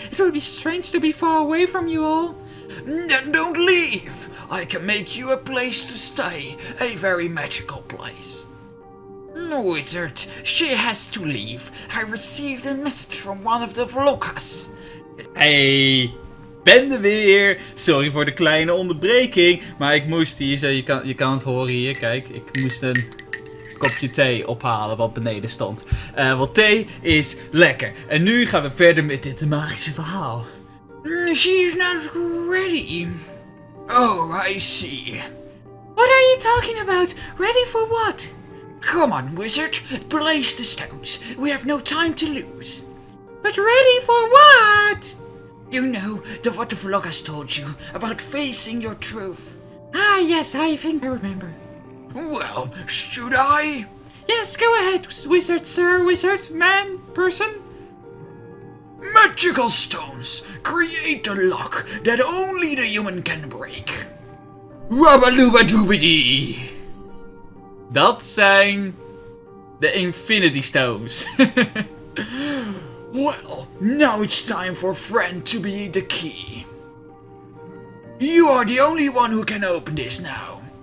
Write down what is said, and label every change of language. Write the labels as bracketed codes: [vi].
[en] It would be strange to be far away from you all. Then don't leave. I can make you a place to stay. A very magical place. Wizard, she has to leave. I received a message from one of the Vlokkas. [nl] Hey, ben er weer. Sorry voor de kleine onderbreking, maar ik moest hier, zo, je kan het horen hier, kijk. Ik moest een kopje thee ophalen wat beneden stond. Want thee is lekker. En nu gaan we verder met dit magische verhaal. [en] She is not ready. Oh, I see. What are you talking about? Ready for what? Come on, wizard. Place the stones. We have no time to lose. But ready for what? You know, what the vlog has told you about facing your truth. Ah, yes, I think I remember. Well, should I? Yes, go ahead, wizard, sir, wizard, man, person. Magical stones create a lock that only the human can break. Wabaloobadoobadee! [nl] Dat zijn de Infinity Stones. [en] Well, now it's time for friend to be the key. You are the only one who can open this now.